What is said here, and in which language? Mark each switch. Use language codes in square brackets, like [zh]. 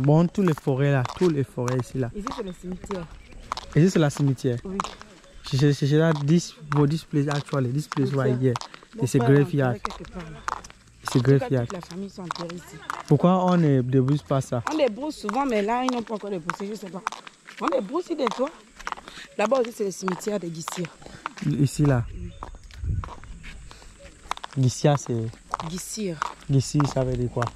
[fr] Bon, toutes les forêts là, toutes les forêts ici là. Ici, c'est le cimetière. Ici, c'est la cimetière. Oui. [en] She said this, well, this place actually, this place right here, it's a graveyard. It's a graveyard. [fr] Pourquoi on ne débrousse pas ça? On débrousse souvent, mais là, ils n'ont pas encore débroussé, je ne sais pas. On débrousse ici de toi. Là-bas aussi, c'est le cimetière de Gissia. Ici, là. Gissia, c'est... Gissir. Gissir, ça veut dire quoi?